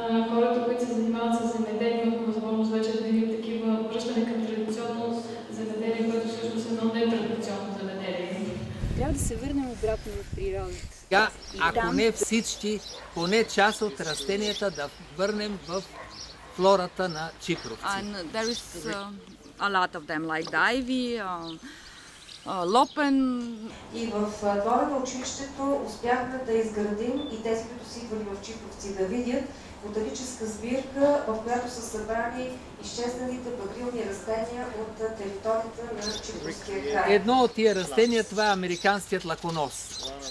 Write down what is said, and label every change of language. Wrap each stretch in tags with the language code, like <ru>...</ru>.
<bg>Хората, които се занимават с земеделие, имат възможност вече да видят такива връщане към традиционно земеделие, което всъщност е едно нетрадиционно земеделие. Трябва да се върнем обратно в природата. Сега, ако не всички, поне част от растенията да върнем в флората на Чипровци.</bg> <en>And there is a lot of them like ivy, lopen.</en> <bg>И в двора на училището успяхме да изградим и тези, които си идвали в Чипровци да видят ботаническа сбирка, в която са събрани изчезналите багрилни растения от територията на Чипровския край. Едно от тия растения, това е американският лаконос.</bg>